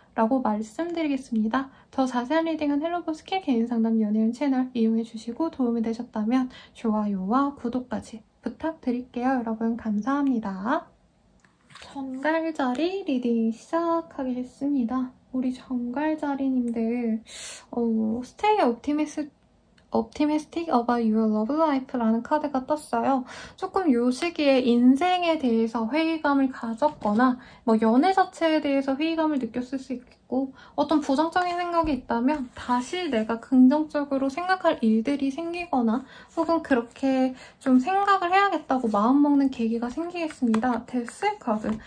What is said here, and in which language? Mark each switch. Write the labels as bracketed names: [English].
[Korean] 라고 말씀드리겠습니다. 더 자세한 리딩은 헬로보스킨 개인상담 연예인 채널 이용해주시고 도움이 되셨다면 좋아요와 구독까지 부탁드릴게요. 여러분 감사합니다. 전갈자리 리딩 시작하겠습니다. 우리 전갈자리님들 [English] Stay Optimistic About Your Love Life [Korean] 라는 카드가 떴어요. 조금 요 시기에 인생에 대해서 회의감을 가졌거나 뭐 연애 자체에 대해서 회의감을 느꼈을 수 있고 어떤 부정적인 생각이 있다면 다시 내가 긍정적으로 생각할 일들이 생기거나 혹은 그렇게 좀 생각을 해야겠다고 마음먹는 계기가 생기겠습니다. 데스의 카드.